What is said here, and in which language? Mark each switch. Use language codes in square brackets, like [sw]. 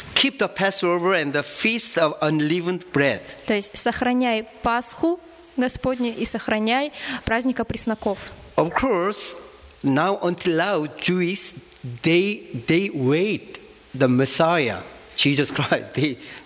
[en] Keep the Passover and the feast of unleavened bread. [ru] То есть сохраняй Пасху Господню и сохраняй праздник опресноков. [en] Of course, now until now, Jews they wait the Messiah, Jesus Christ.